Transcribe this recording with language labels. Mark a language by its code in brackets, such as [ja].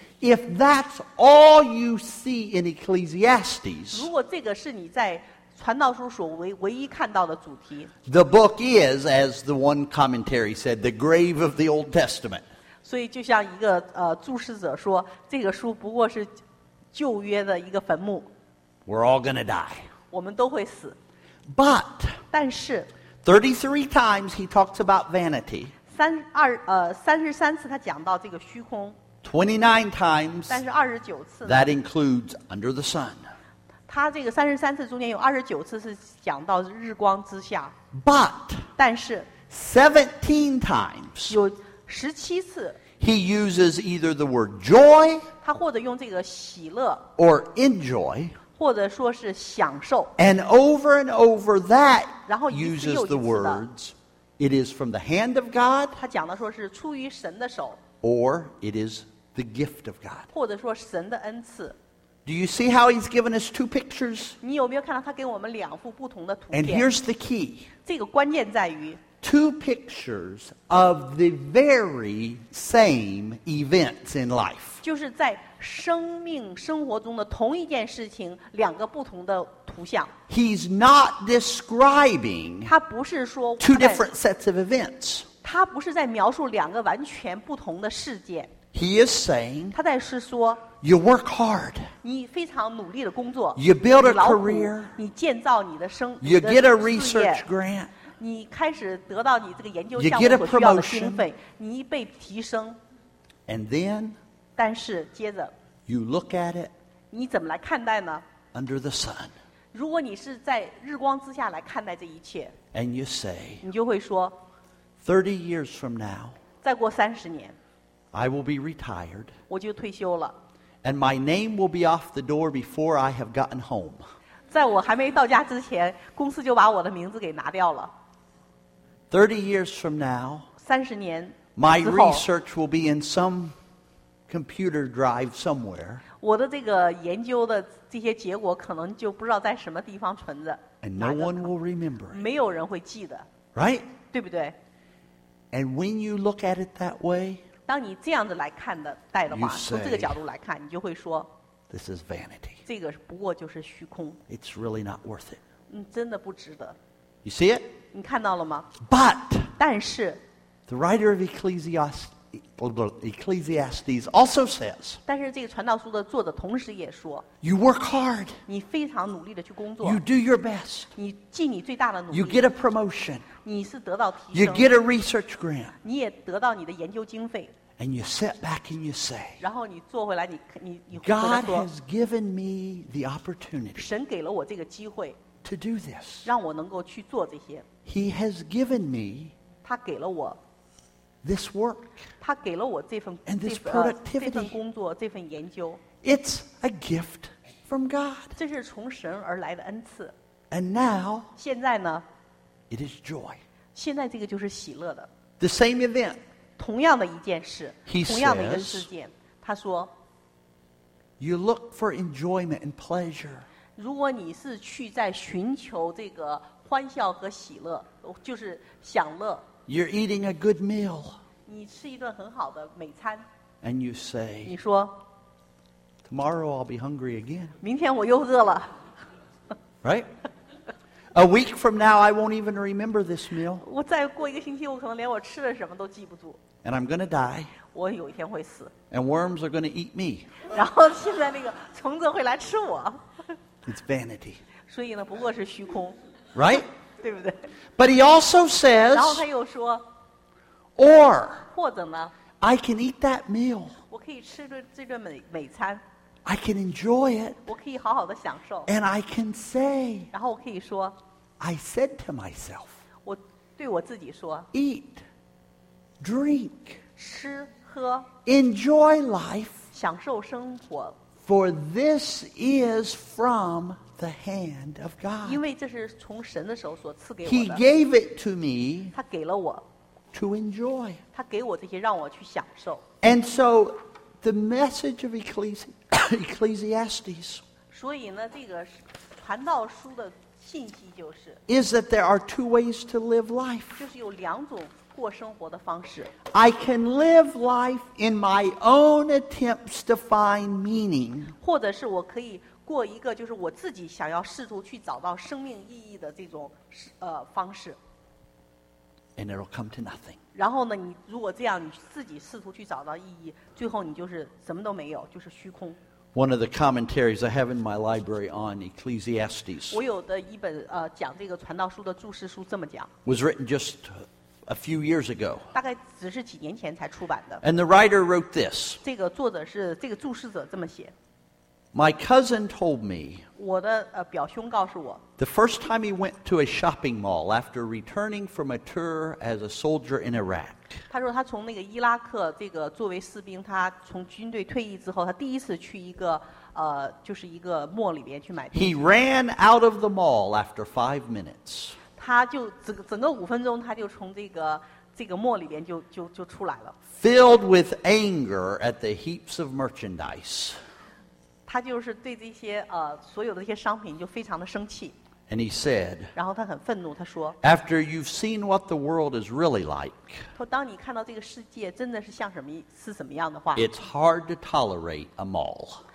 [en] If that's all you see in Ecclesiastes. [zh] 如果这个是你在传道书所唯一看到的主题。 [en] The book is, as the one commentary said, the grave of the Old Testament. [zh] 所以就像一个注释者说，这个书不过是旧约的一个坟墓。 [en] We're all going to die. [zh] 我们都会死。 [en] But. [zh] 但是。 [en] 33 times he talks about vanity. [zh] 33次他讲到这个虚空。 [en] 29 times. [zh] 但是29次。 [en] That includes under the sun. [zh] 他这个三十三次中间有二十九次是讲到日光之下 [en] ，but [zh] 但是 [en] 17 times [zh] 有十七次 [en] ，he uses either the word joy [zh] 他或者用这个喜乐 [en] ，or enjoy [zh] 或者说是享受 [en] ，and over and over that [zh] 然后一次又一次的 [en] uses the words it is from the hand of God [zh] 他讲的说是出于神的手 [en] ，or it is the gift of God [zh] 或者说神的恩赐。 [en] Do you see how he's given us two pictures? [zh] 你有没有看到他给我们两幅不同的图片 [en] ？And here's the key. [zh] 这个关键在于 [en] two pictures of the very same events in life. [zh] 就是在生命生活中的同一件事情，两个不同的图像。 [en] He's not describing. [zh] 他不是说 [en] two different sets of events. [zh] 他不是在描述两个完全不同的事件。 [en] He is saying. [zh] 他在是说。 [en] You work hard. [zh] 你非常努力的工作。 [en] You build a career. [zh] 你建造你的生。 [en] You get a research grant. [zh] 你开始得到你这个研究项目所需要的经费。你被提升。 [en] And then. [zh] 但是接着。 [en] You look at it. [zh] 你怎么来看待呢 [en] ？Under the sun. [zh] 如果你是在日光之下来看待这一切。 [en] And you say. [zh] 你就会说。 [en] 30 years from now. [zh] 再过三十年。 [en] I will be retired. [zh] 我就退休了。 [en] And my name will be off the door before I have gotten home. [zh] 在我还没到家之前，公司就把我的名字给拿掉了。 [en] 30 years from now, [zh] 三十年之后 [en] my research will be in some computer drive somewhere. [zh] 我的这个研究的这些结果可能就不知道在什么地方存着。 [en] And no one will remember it. [zh] 没有人会记得。 [en] Right? [zh] 对不对？ [en] And when you look at it that way, [zh] 当你这样子来看的带的话， [en] you say, [zh] 从这个角度来看，你就会说， [en] This is vanity. [zh] 这个不过就是虚空。 [en] It's really not worth it. [zh] 嗯，真的不值得。 [en] You see it? [zh] 你看到了吗？ [en] But, [zh] 但是， [en] the writer of Ecclesiastes also says, [zh] 但是这个传道书的作者同时也说， [en] you work hard. [zh] 你非常努力的去工作。 [en] You do your best. [zh] 你尽你最大的努力。 [en] You get a promotion. [zh] 你是得到提升。 [en] You get a research grant. [zh] 你也得到你的研究经费。 [en] And you sit back and you say, [zh] 然后你坐回来， 你 [en] God has given me the opportunity. [zh] 神给了我这个机会。 [en] To do this. [zh] 让我能够去做这些。 [en] He has given me. [zh] 他给了我。 [en] This work. [zh] 他给了我这份。 [en] And this productivity. [zh] 这份工作，这份研究。 [en] It's a gift from God. [zh] 这是从神而来的恩赐。 [en] And now. [zh] 现在呢？ [en] It is joy. [zh] 现在这个就是喜乐的。 [en] The same event. [zh] 同样的一件事。 [en] He says. [zh] 同样的一个事件。他说。 [en] You look for enjoyment and pleasure. [zh] 如果你是去在寻求这个欢笑和喜乐，就是享乐。 [en] You're eating a good meal. [zh] 你吃一顿很好的美餐。 [en] And you say. [zh] 你说。 [en] Tomorrow I'll be hungry again. [zh] 明天我又饿了。 [en] Right? A week from now I won't even remember this meal. [zh] 我再过一个星期，我可能连我吃了什么都记不住。 [en] And I'm gonna die. [zh] 我有一天会死。 [en] And worms are gonna eat me. [zh] 然后现在那个虫子会来吃我。 [en] It's vanity. [zh] 所以呢，不过是虚空。 [en] Right? [zh] 对不对？ [en] But he also says. [zh] 然后他又说。 [en] Or. [zh] 或者呢？ [en] I can eat that meal. [zh] 我可以吃这顿美餐。 [en] I can enjoy it. [zh] 我可以好好的享受。 [en] And I can say. [zh] 然后我可以说。 [en] I said to myself. [zh] 我对我自己说。 [en] Eat. Drink. [zh] 吃喝。 [en] Enjoy life. [zh] 享受生活。 [en] For this is from the hand of God. [zh] 因为这是从神的手所赐给我的。 [en] He gave it to me. [zh] 他给了我。 [en] To enjoy. [zh] 他给我这些让我去享受。 [en] And so, the message of Ecclesiastes. [zh] 所以呢，这个传道书的信息就是。 [en] Is that there are two ways to live life. [zh] 就是有两种过生活的方式。 [en] I can live life in my own attempts to find meaning. [zh] 或者是我可以过一个就是我自己想要试图去找到生命意义的这种方式。 [en] And it'll come to nothing. [zh] 然后呢，你如果这样你自己试图去找到意义，最后你就是什么都没有，就是虚空。 [en] One of the commentaries I have in my library on Ecclesiastes. [zh] 我有的一本讲这个传道书的注释书这么讲。 [en] Was written just a few years ago. [zh] 大概只是几年前才出版的。 [en] And the writer wrote this. [zh] 这个作者是这个注释者这么写。 [en] My cousin told me. [zh] 我的表兄告诉我。 [en] The first time he went to a shopping mall after returning from a tour as a soldier in Iraq. [zh] 他说他从那个伊拉克这个作为士兵，他从军队退役之后，他第一次去一个就是一个 mall 里边去买东西。 [en] He ran out of the mall after 5 minutes. [zh] 他就整个五分钟，他就从这个墨里边就出来了。 [en] Filled with anger at the heaps of merchandise. [zh] 他就是对这些所有的这些商品就非常的生气。 [en] And he said. [zh] 然后他很愤怒，他说。 [en] After you've seen what the world is really like. [zh] 当你看到这个世界真的是像什么样的话。 [en] It's hard to tolerate a mall.